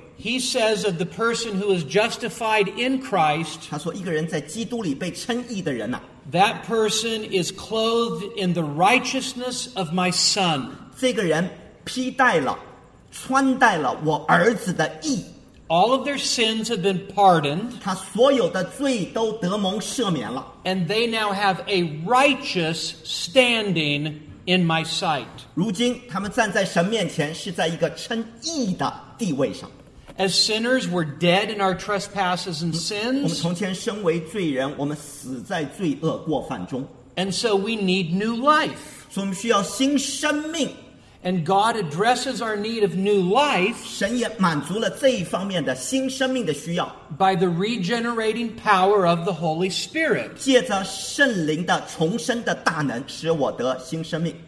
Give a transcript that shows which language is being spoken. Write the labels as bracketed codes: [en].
[en] He says of the person who is justified in Christ, [zh] 他说一个人在基督里被称义的人啊, [en] that person is clothed in the righteousness of my son. [zh] 这个人披戴了,穿戴了我儿子的义。 [en] All of their sins have been pardoned. [zh] 他所有的罪都得蒙赦免了。 [en] And they now have a righteous standing in my sight. [zh] 如今他们站在神面前是在一个称义的地位上。 [en] As sinners, we're dead in our trespasses and sins. [zh] 我们从前身为罪人, 我们死在罪恶过犯中。 [en] And so we need new life. [zh] 所以我们需要新生命。 [en] And God addresses our need of new life by the regenerating power of the Holy Spirit.